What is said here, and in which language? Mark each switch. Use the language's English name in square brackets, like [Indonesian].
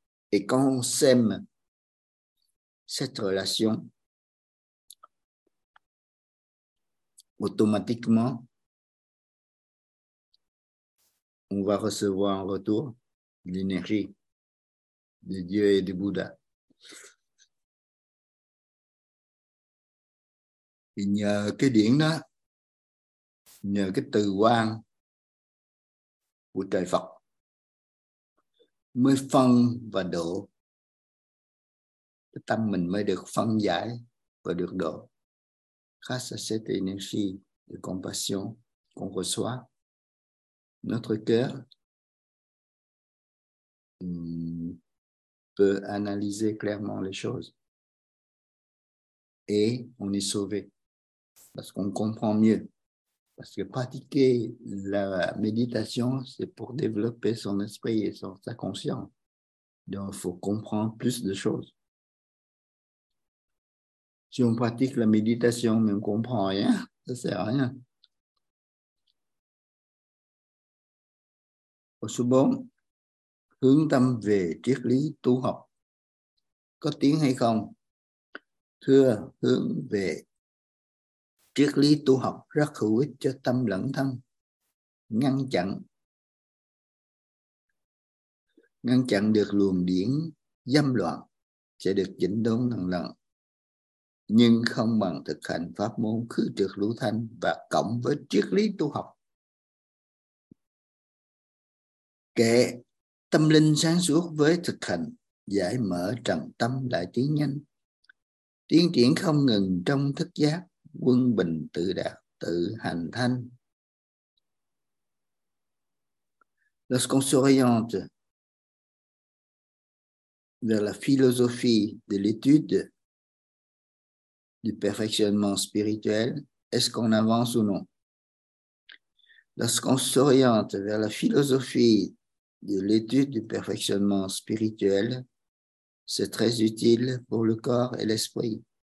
[French] Et quand on sème cette relation, automatiquement, on va recevoir en retour l'énergie de Dieu et du Bouddha. [Vietnamese] Thì nhờ cái điển đó, nhờ cái từ quang của trời Phật mới phân và độ, cái tâm mình mới được phân giải và được độ. [French] Grâce à cette énergie de compassion qu'on reçoit, notre cœur peut analyser clairement les choses et on est sauvé. Parce qu'on comprend mieux. Parce que pratiquer la méditation, c'est pour développer son esprit et sa conscience. Donc, il faut comprendre plus de choses. Si on pratique la méditation, mais on ne comprend rien, ça ne sert à rien. [Vietnamese] Au Subon, hướng tâm về triết lý tu học. Có tiếng hay không? Thưa, hướng về triết lý tu học rất hữu ích cho tâm lẫn thân, ngăn chặn được luồng điển dâm loạn sẽ được chỉnh đốn lần lần, nhưng không bằng thực hành pháp môn khứ trược lũ thanh và cộng với triết lý tu học. Kệ Tâm linh sáng suốt với thực hành giải mở trần tâm lại tiến nhanh, tiến triển không ngừng trong thức giác, quân bình tự đạt tự hành thanh. [French] Lorsqu'on s'oriente vers la philosophie de l'étude du perfectionnement spirituel, est-ce qu'on avance ou non? Lorsqu'on s'oriente vers la philosophie de l'étude du perfectionnement spirituel, c'est très utile pour le corps et l'esprit.